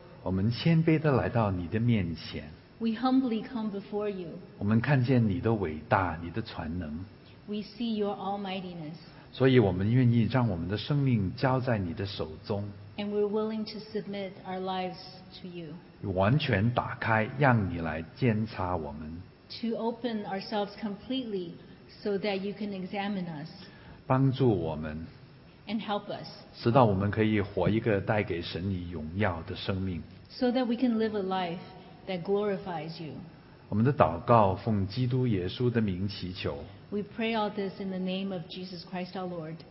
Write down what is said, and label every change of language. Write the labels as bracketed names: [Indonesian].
[Chinese] 我们谦卑地来到你的面前。 [English] We humbly come before you. [Chinese] 我们看见你的伟大，你的全能。 [English] We see your almightiness. [Chinese] 所以我们愿意让我们的生命交在你的手中。 [English] And we're willing to submit our lives to you. [Chinese] 完全打开，让你来监察我们。 [English] To open ourselves completely so that you can examine us. [Chinese] 帮助我们。 [English] And help us. [Chinese] 直到我们可以活一个带给神你荣耀的生命。 [English] So that we can live a life that glorifies you. [Chinese] 我们的祷告奉基督耶稣的名祈求。 [English] We pray all this in the name of Jesus Christ our Lord.